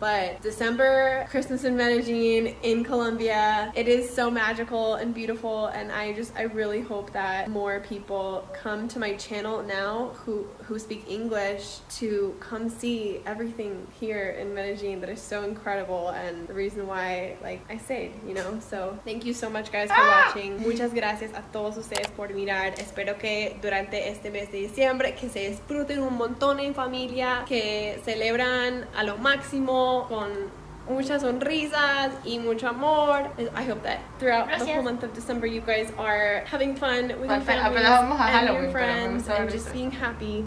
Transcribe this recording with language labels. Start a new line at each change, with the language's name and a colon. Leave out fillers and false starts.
English: But December, Christmas in Medellin, in Colombia, it is so magical and beautiful, and I really hope that more people come to my channel now who speak English to come see everything here in Medellin that is so incredible and the reason why, like, I said, you know, so thank you so much guys for watching.
Spanish: Muchas gracias a todos ustedes por mirar. Espero que durante este mes de diciembre que se disfruten un montón en familia, que celebran a lo máximo con muchas sonrisas y mucho amor.
English: I hope that throughout the whole month of December you guys are having fun with your families and your friends and just being happy.